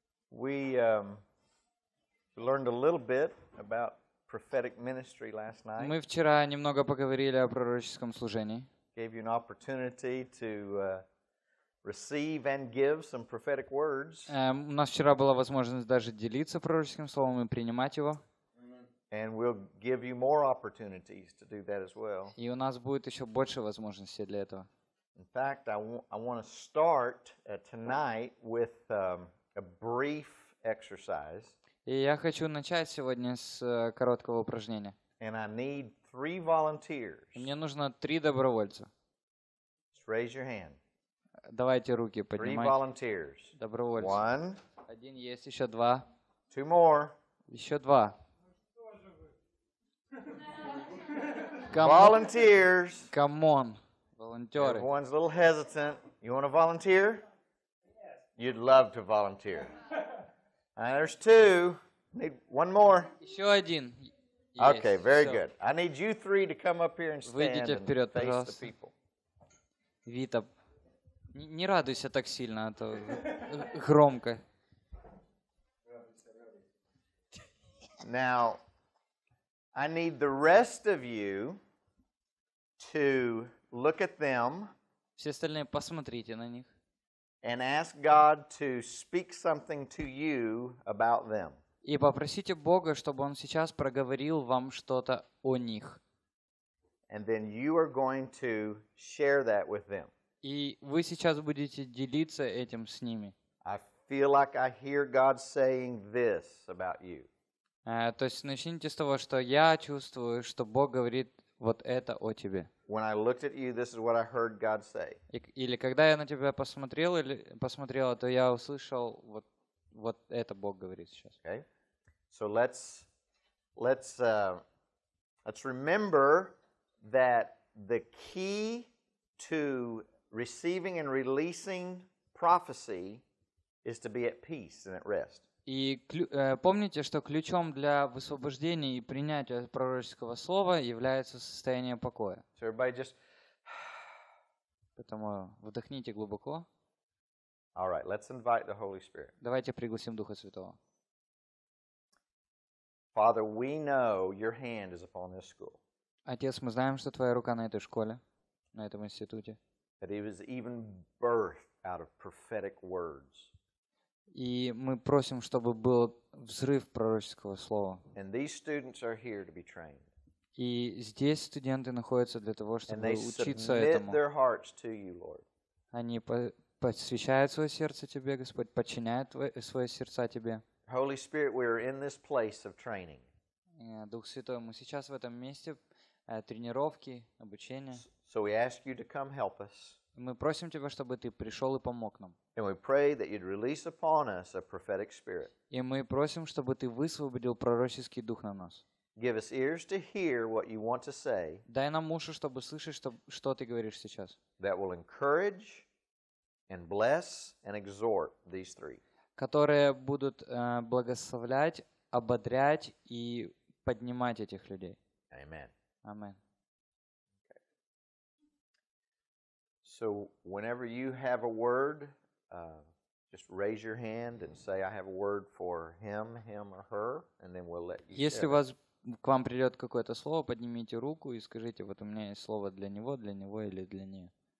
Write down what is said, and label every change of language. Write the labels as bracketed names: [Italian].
[English] We learned a little bit about prophetic ministry last night. [Russian] Мы вчера немного поговорили о пророческом служении. [English] Gave you an opportunity to receive and give some prophetic words. [Russian] У нас вчера была возможность даже делиться пророческим словом и принимать его. [English] And we'll give you more opportunities to do that as well. [Russian] И у нас будет еще больше возможностей для этого. [English] In fact, I want to start tonight with a brief exercise. [Russian] И я хочу начать сегодня с короткого упражнения. [English] And I need three volunteers. [Russian] Мне нужно три добровольца. [English] Just raise your hand. [Russian] Давайте руки поднимайте. [English] Three volunteers. [Russian] Добровольцы. [English] One. [Russian] Один есть, еще два. [English] Two more. [Russian] Еще два. [English] Volunteers. Come on. [Russian] Волонтеры. [English] Everyone's a little hesitant. You want to volunteer? Yes. You'd love to volunteer. And there's two. Need one more. [Russian] Еще один. [English] Okay, very good. I need you three to come up here and stand and face the people. [Russian] Вита, не радуйся так сильно, а то громко. [English] Now, I need the rest of you to look at them. [Russian] Все остальные посмотрите на них. [English] And ask God to speak something to you about them. [Russian] И попросите Бога, чтобы Он сейчас проговорил вам что-то о них. [English] And then you are going to share that with them. [Russian] И вы сейчас будете делиться этим с ними. [English] I feel like I hear God saying this about you. [Russian] То есть начните с того, что я чувствую, что Бог говорит вот это о тебе. [English] When I looked at you, this is what I heard God say. [Russian] Или когда я на тебя посмотрел или посмотрела, то я услышал вот, вот это Бог говорит сейчас. [English] Okay. So let's remember that the key to receiving and releasing prophecy is to be at peace and at rest. [Russian] И помните, что ключом для высвобождения и принятия пророческого слова является состояние покоя. [English] So everybody just... [Russian] Поэтому вдохните глубоко. [English] All right, let's invite the Holy Spirit. [Russian] Давайте пригласим Духа Святого. [English] Father, we know your hand is upon this school. [Russian] Отец, мы знаем, что Твоя рука на этой школе, на этом институте. [English] That it was even birthed out of prophetic words. [Russian] И мы просим, чтобы был взрыв пророческого слова. [English] And these students are here to be trained. [Russian] И здесь студенты находятся для того, чтобы [English] And they [Russian] учиться [English] submit [Russian] этому. [English] Their hearts to you, Lord. [Russian] Они посвящают свое сердце Тебе, Господь, подчиняют свое сердце Тебе. [English] Holy Spirit, we are in this place of training. [Russian] Дух Святой, мы сейчас в этом месте тренировки, обучения. [English] So we ask you to come help us. [Russian] Мы просим Тебя, чтобы Ты пришел и помог нам. [English] And we pray that you'd release upon us a prophetic spirit. [Russian] И мы просим, чтобы Ты высвободил пророческий дух на нас. [English] Give us ears to hear what you want to say. [Russian] Дай нам уши, чтобы слышать, что, что Ты говоришь сейчас. [English] That will encourage and bless and exhort these three. [Russian] Которые будут благословлять, ободрять и поднимать этих людей. [English] Amen. Amen. So whenever you have a word, just raise your hand and say, I have a word for him, him or her, and then we'll let you. [Russian] Если вас к вам придет какое-то слово, поднимите руку и скажите, вот у меня есть слово для него или для нее.